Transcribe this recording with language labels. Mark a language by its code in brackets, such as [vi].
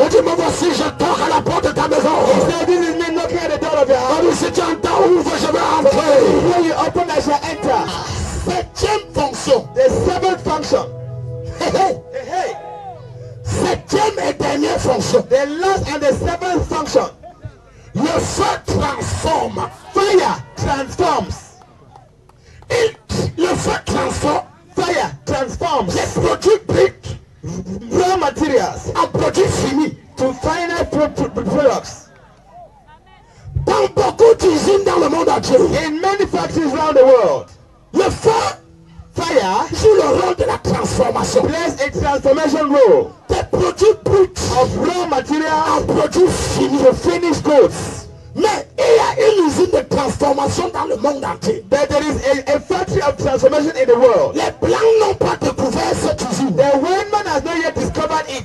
[fr] Et tu me vois si je toque à la porte de ta maison. [en] He said, this is me knocking at the door of your house. [fr] Si tu entends ouvre, je vais entrer. [en] When you open, I shall enter. [fr] Septième fonction. [en] The seventh function. [fr] Hey, hey. Septième et dernière fonction. [en] The last and the seventh function. [fr] Le feu transforme. [en] Fire transforms. [fr] Le feu transforme. [en] Fire transforms. [fr] Les produits brut. [en] Raw materials. [fr] À produits finis. [en] To final products. [fr] Dans beaucoup d'usines dans le monde entier. [en] In many factories around the world. [fr] Le feu. [en] Fire. [fr] Joue le rôle de la transformation. [en] Plays a transformation role. [fr] Des produits bruts. [en] Of raw materials. [fr] À produits finis. [en] To finished goods. [fr] Mais il y a une usine de transformation dans le monde entier. [en] But there is a factory of transformation in the world. [fr] Les blancs n'ont pas découvert cette usine. [en] The white man has not yet discovered it.